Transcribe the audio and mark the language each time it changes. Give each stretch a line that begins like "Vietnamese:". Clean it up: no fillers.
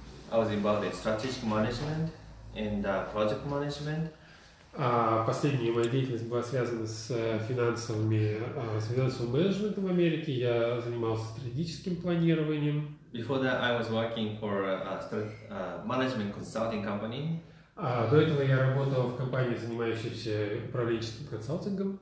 English: I was involved in strategic management and project management.
Russian: Последняя моя деятельность была связана с финансовым менеджментом в Америке. Я занимался стратегическим планированием.
English: Before that, I was working for a management consulting company.
Russian: До этого я работал в компании, занимающейся управленческим консалтингом.